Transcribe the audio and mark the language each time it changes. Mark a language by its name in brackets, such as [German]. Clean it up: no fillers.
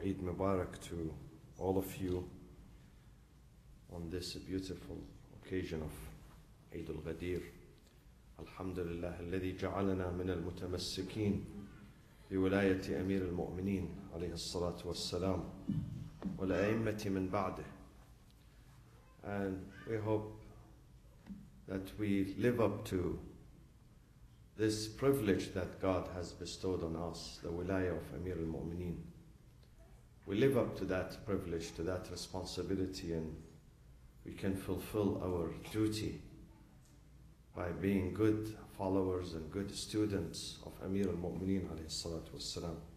[Arabic] عيد مبارك [English] to all of you on this beautiful occasion of [Arabic] عيد الغدير. الحمد لله الذي جعلنا من المتمسكين بولاية أمير المؤمنين عليه الصلاة والسلام والأئمة من بعده. [English] And we hope that we live up to this privilege that God has bestowed on us, the wilayah of Amir al-Mu'mineen. We live up to that privilege, to that responsibility, and we can fulfill our duty by being good followers and good students of Amir al-Mu'mineen alayhi salatu wassalam.